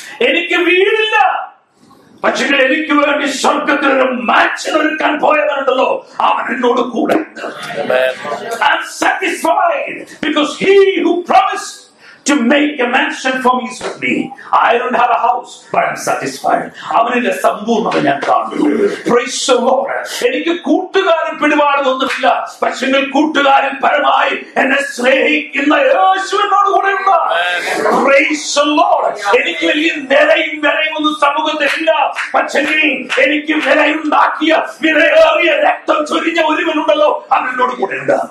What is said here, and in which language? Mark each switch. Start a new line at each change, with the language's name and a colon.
Malayalam: എനിക്ക് വീടില്ല, പക്ഷെങ്കിൽ എനിക്ക് വേണ്ടി സ്വർഗത്തിൽ ഒരു മാച്ച് ഒരുക്കാൻ പോയവനുണ്ടല്ലോ, അവൻ എന്നോട് കൂടെ
English: to make a mansion for me with me. I don't have a house, but I'm satisfied.
Malayalam: അവനെ സമ്പൂർണ്ണത ഞാൻ കാണുന്നു.
English: Praise the Lord.
Malayalam: എനിക്ക് കൂട്ടുകാരൻ പിടിപാടൊന്നുമില്ല, പക്ഷേ എന്നിൽ കൂട്ടുകാരൻ പരമായി എന്നെ സ്നേഹിക്കുന്ന യേശുവിനോട് കൂടെ ഉണ്ട്.
English: Praise the Lord.
Malayalam: എനിക്ക് വലിയ നിലയും വിലയൊന്നും സമൂഹത്തിലില്ല, പക്ഷേ എനിക്ക് വിലയുണ്ടാക്കിയ വിലയേറിയ രക്തം ചൊരിഞ്ഞ ഒരുവനുണ്ടല്ലോ, അവൻ എന്നോട് കൂടെ ഉണ്ട്.